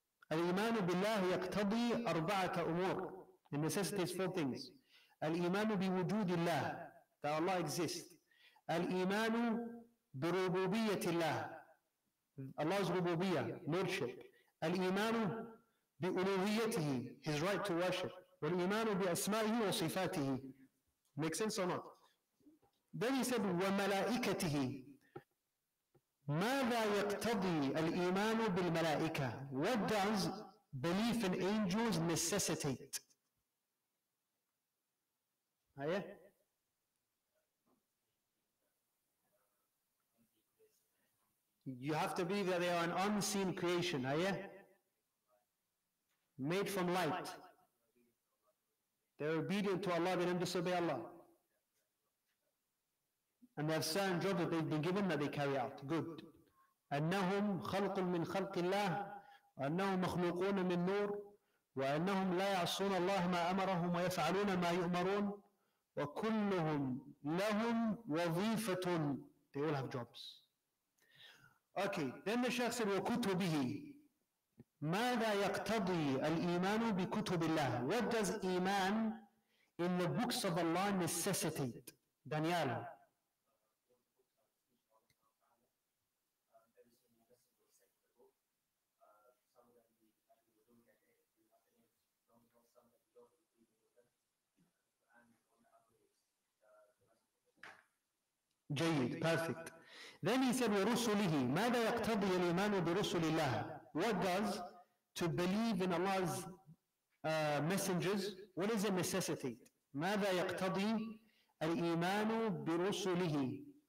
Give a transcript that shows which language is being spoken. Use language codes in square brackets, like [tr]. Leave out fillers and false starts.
[ar] Al-iman billah yaqtadi arba'ata umur. [en] It necessitates four things. [ar] Al-iman bi wujud Allah, [en] that Allah exists. [ar] Al-iman bi rububiyyah Allah, [en] Allah's rububiyyah, lordship. [ar] Al-iman bi uluhiyyah, [en] his right to worship. [ar] والإيمان بأسمائه وصفاته. [en] Make sense or not? Then he said, [ar] وملائكته. ماذا يقتضي الإيمان بالملائكة? [en] What does belief in angels necessitate? Aya? You have to believe that they are an unseen creation. Aya? Made from light. They're obedient to Allah, they don't disobey Allah. And they have certain jobs that they've been given that they carry out. Good. [ar] أَنَّهُمْ خَلْقٌ مِّنْ خَلْقِ اللَّهِ وَأَنَّهُمْ مَخْلُوقُونَ مِّنْ نُورِ وَأَنَّهُمْ لَا يَعْصُونَ اللَّهِ مَا أَمَرَهُمْ وَيَفْعَلُونَ مَا يُؤْمَرُونَ وَكُلُّهُمْ لَهُمْ وَظِيفَةٌ. [en] They all have jobs. Okay, then the Shaykh said, [ar] وَكُتُبِهِ. ماذا يقتضي الإيمان بكتب الله? [en] What does iman in the books of Allah necessitate? Daniela. [ar] جيد, [en] perfect. Then he said, [ar] ورسله. ماذا يقتضي الإيمان برسل الله? [en] What does to believe in Allah's messengers, what is it necessitate? [ar] ماذا يقتضي الإيمان برسله?